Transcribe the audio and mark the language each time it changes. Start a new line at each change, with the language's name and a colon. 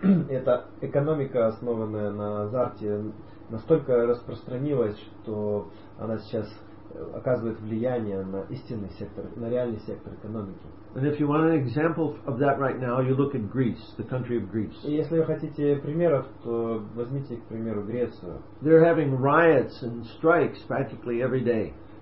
Russian: Эта экономика, основанная на азарте, настолько распространилась, что она сейчас оказывает влияние на истинный сектор, на реальный сектор экономики.
English: And if you want an example of that right now, you look at Greece, the country of Greece.
Russian: И если вы хотите примеров, то возьмите, к примеру, Грецию.
English: They're having riots and strikes practically every day.